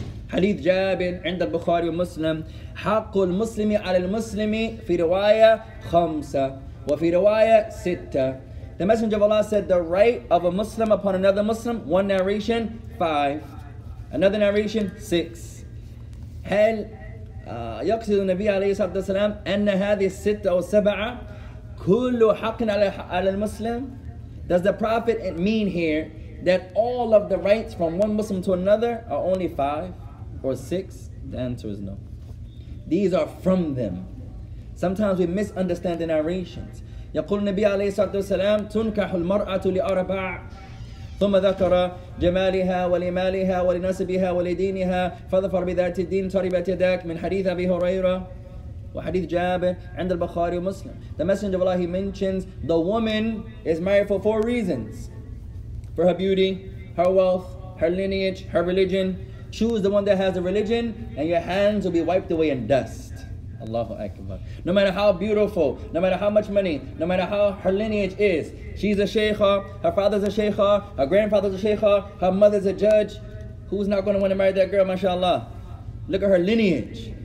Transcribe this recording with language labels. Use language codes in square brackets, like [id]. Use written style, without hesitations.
[ar] Hadith Jabir, عند البخاري ومسلم. حق المسلم على المسلم في رواية خمسة وفي رواية ستة. [en] The Messenger of Allah said, the right of a Muslim upon another Muslim, one narration, 5. Another narration, 6. [ar] هل يقصد النبي عليه الصلاة والسلام أن هذه الستة أو سبعة كل حق على المسلم? [en] Does the Prophet mean here that all of the rights from one Muslim to another are only 5 or 6? The answer is no. These are from them. Sometimes we misunderstand the narrations. [ar] يقول النبي عليه الصلاة والسلام تنكح المرأة لأربع ثم ذكر جمالها ولمالها ولنسبها ولدينها فظفر بذات الدين تربت يداك من حديث أبي هريرة وحديث جابر عند البخاري ومسلم. [en] The Messenger of Allah, he mentions the woman is married for 4 reasons. For her beauty, her wealth, her lineage, her religion. Choose the one that has the religion and your hands will be wiped away in dust. Allahu Akbar. No matter how beautiful, no matter how much money, no matter how her lineage is, she's a sheikha, her father's a sheikha, her grandfather's a sheikha, her mother's a judge. Who's not going to want to marry that girl, mashallah? Look at her lineage.